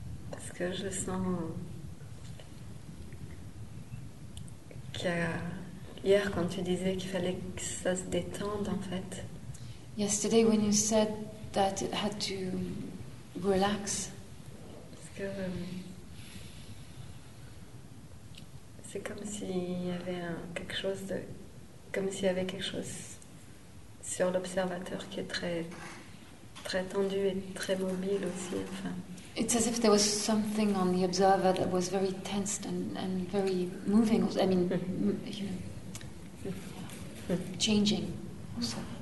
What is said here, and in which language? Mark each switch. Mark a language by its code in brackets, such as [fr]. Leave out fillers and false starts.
[fr] Parce que je sens qu'hier quand tu disais qu'il fallait que ça se détende en fait. [en] Yesterday when you said that it had to relax. [fr] Parce que c'est comme s'il y avait quelque chose de comme s'il y avait quelque chose sur l'observateur qui est très très tendu et très mobile aussi. Enfin. [en] It's as if there was something on the observer that was very tensed and very moving. I mean, you know, changing. Also.